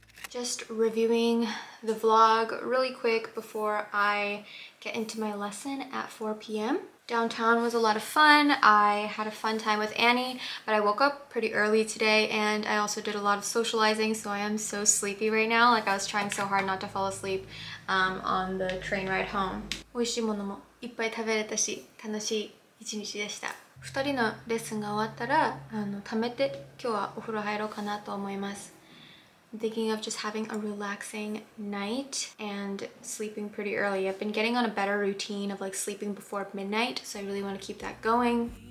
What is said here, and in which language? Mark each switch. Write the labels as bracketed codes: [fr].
[en] Just reviewing the vlog really quick before I get into my lesson at 4 p.m. Downtown was a lot of fun. I had a fun time with Annie, but I woke up pretty early today and I also did a lot of socializing, so I am so sleepy right now. Like, I was trying so hard not to fall asleep on the train ride home. [ja] おいしいものもいっぱい食べれたし、楽しい一日でした。 2人のレッスンが終わったら、溜めて今日はお風呂入ろうかなと思います。 [en] I'm thinking of just having a relaxing night and sleeping pretty early. I've been getting on a better routine of like sleeping before midnight, so I really want to keep that going.